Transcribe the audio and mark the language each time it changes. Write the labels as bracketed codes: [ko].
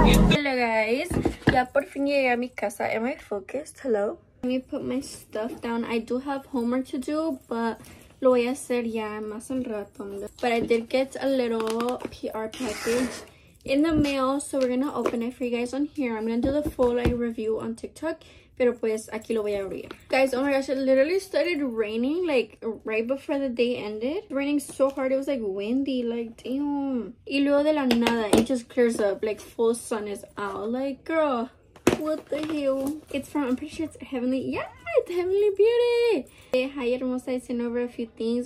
[en] Hello guys, [es] ya por fin llegué a mi casa. [en] Am I focused? Hello? Let me put my stuff down. I do have homework to do, but [es] lo voy a hacer ya más al rato. [en] But I did get a little PR package in the mail, so we're gonna open it for you guys on here. I'm gonna do the full like review on TikTok, [es] pero pues aquí lo voy a abrir. [en] Guys, oh my gosh, it literally started raining like right before the day ended. It was raining so hard, it was like windy, like damn. [es] Y luego de la nada, [en] it just clears up, like full sun is out. Like, girl, what the hell? It's from, I'm pretty sure it's Heavenly. Yeah! Heavenly Beauty. Hey, hi hermosa, I sent over a few things.